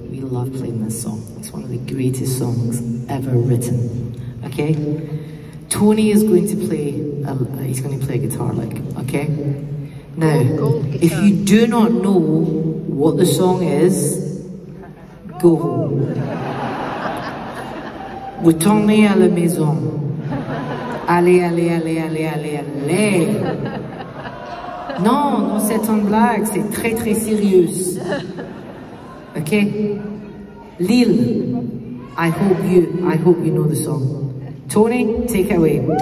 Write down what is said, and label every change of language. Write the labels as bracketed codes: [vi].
[en] We love playing this song. It's one of the greatest songs ever written. Okay? Tony is going to play a guitar lick, okay? Now, if you do not know what the song is, go home. [fr] Retournez à la maison. Allez, allez, allez, allez, allez, allez. Non, non, c'est une blague, c'est très, très sérieux. [en] Okay? Lille, I hope you know the song. Tony, take it away.